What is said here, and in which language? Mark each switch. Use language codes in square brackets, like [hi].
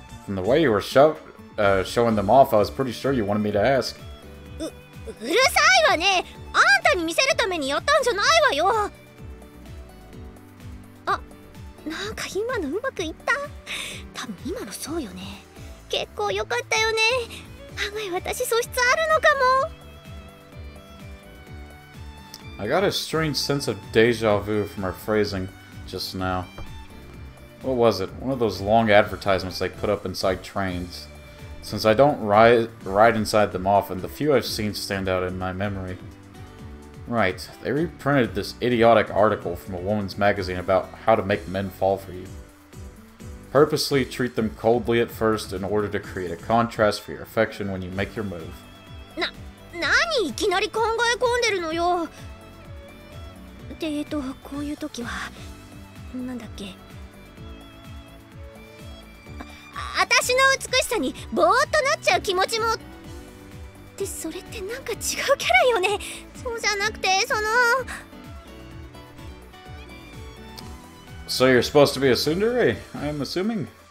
[en] From the way you were showing them off, I was pretty sure you wanted me to ask. [ja] うるさいわね。あんたに見せるためにやったんじゃないわよ。あ、なんか今のうまくいった。多分今のそうよね。結構良かったよね。案外私素質あるのかも。 [en] I got a strange sense of deja vu from her phrasing just now. What was it? One of those long advertisements they put up inside trains. Since I don't ride inside them often, the few I've seen stand out in my memory. Right, they reprinted this idiotic article from a woman's magazine about how to make men fall for you. Purposely treat them coldly at first in order to create a contrast for your affection when you make your move. [ja] なにいきなり考え込んでるのよ。で、こういう時は、なんだっけ、私の美しさにぼーっとなっちゃう気持ちも。って、それってなんか違うキャラよね。そうじゃなくて、その。 [en] So you're supposed to be a tsundere, I'm assuming?